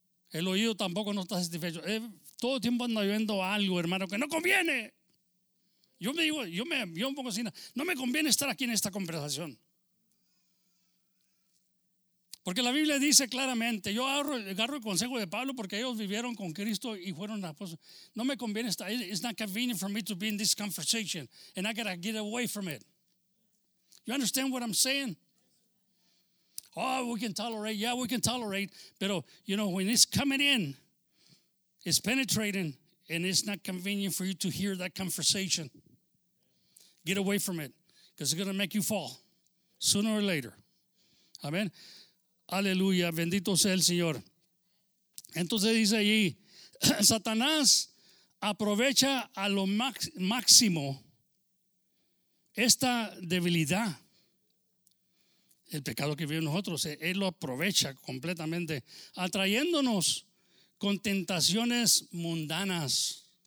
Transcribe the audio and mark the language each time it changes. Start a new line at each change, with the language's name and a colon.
Spanish: El oído tampoco no está satisfecho. Todo el tiempo anda viendo algo, hermano, que no conviene. Yo me pongo así, no me conviene estar aquí en esta conversación. Porque la Biblia dice claramente, yo agarro el consejo de Pablo porque ellos vivieron con Cristo y fueron apóstoles. No me conviene estar,
English: it's not convenient for me to be in this conversation and I gotta get away from it. You understand what I'm saying? Oh, we can tolerate, yeah, we can tolerate. Pero, you know, when it's coming in, it's penetrating and it's not convenient for you to hear that conversation. Get away from it because it's gonna make you fall sooner or later.
Spanish: Amen. Aleluya, bendito sea el Señor. Entonces dice allí, Satanás aprovecha a lo máximo esta debilidad, el pecado que vive en nosotros, él lo aprovecha completamente, atrayéndonos con tentaciones mundanas.